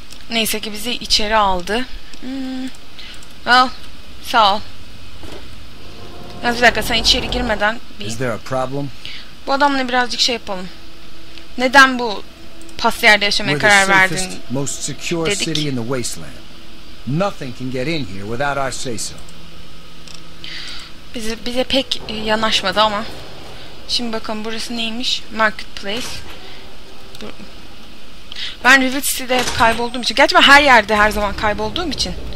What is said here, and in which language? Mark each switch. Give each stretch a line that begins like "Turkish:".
Turkish: Neyse ki bizi içeri aldı. Well, sağ ol. Bir dakika, sen içeri girmeden bir...
English: Is there a problem?
Turkish: Bu adamla birazcık şey yapalım. Neden bu pas yerde yaşamaya karar verdin?
English: We're the safest, most secure city in the wasteland. Nothing can get in here without our say-so.
Turkish: Bize pek yanaşmadı ama. Şimdi bakalım burası neymiş? Marketplace. Ben River City'de hep kaybolduğum için, gerçi ben her yerde her zaman kaybolduğum için.